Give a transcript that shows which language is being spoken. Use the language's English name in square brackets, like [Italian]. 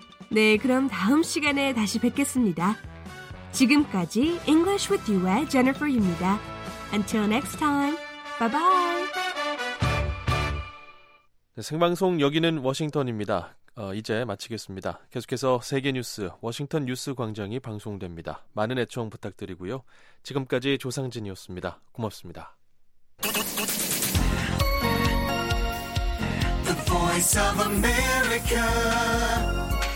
[Korean] 네, 그럼 다음 시간에 다시 뵙겠습니다. 지금까지 English with You의 Jennifer입니다. [English] Until next time, bye-bye. [Korean] 네, 생방송 여기는 워싱턴입니다. 이제 마치겠습니다. 계속해서 세계 뉴스, 워싱턴 뉴스 광장이 방송됩니다. 많은 애청 부탁드리고요. 지금까지 조상진이었습니다. 고맙습니다. The Voice of America.